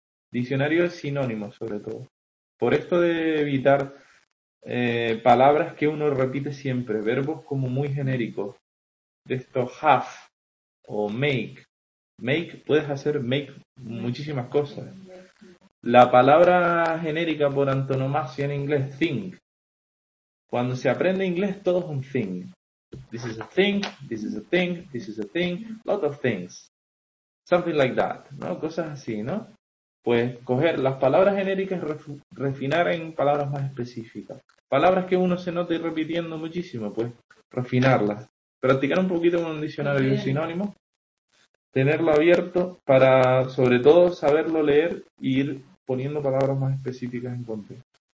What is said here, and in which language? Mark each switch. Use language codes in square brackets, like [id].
[es] Diccionario es sinónimo, sobre todo. Por esto de evitar palabras que uno repite siempre, verbos como muy genéricos, de estos have o make. Make, puedes hacer make muchísimas cosas. La palabra genérica por antonomasia en inglés, think. Cuando se aprende inglés, todo es un thing. [en] This is a thing, this is a thing, this is a thing, lot of things. Something like that, [es] ¿no? Cosas así, ¿no? Pues coger las palabras genéricas, refinar en palabras más específicas. Palabras que uno se note repitiendo muchísimo, pues refinarlas. Practicar un poquito con un diccionario y un sinónimo. Tenerlo abierto para, sobre todo, saberlo leer e ir poniendo palabras más específicas en contexto.